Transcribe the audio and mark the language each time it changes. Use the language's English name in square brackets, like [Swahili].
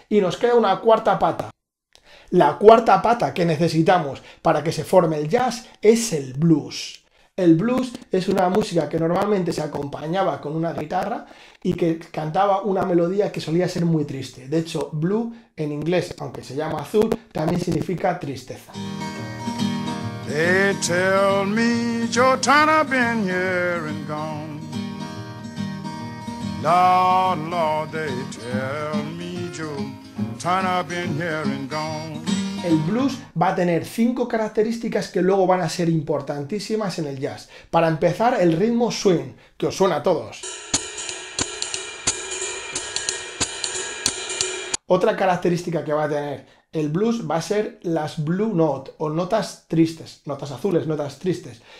[Spanish] Y nos queda una cuarta pata. La cuarta pata que necesitamos para que se forme el jazz es el blues. El blues es una música que normalmente se acompañaba con una guitarra y que cantaba una melodía que solía ser muy triste. De hecho, blue en inglés, aunque se llama azul, también significa tristeza. [English] They tell me your time been here and gone. Lord, Lord, they tell me your time been here and gone. [Spanish] El blues va a tener cinco características que luego van a ser importantísimas en el jazz. Para empezar, el ritmo swing, que os suena a todos. Otra característica que va a tener el blues va a ser las blue note, o notas tristes, notas azules, notas tristes.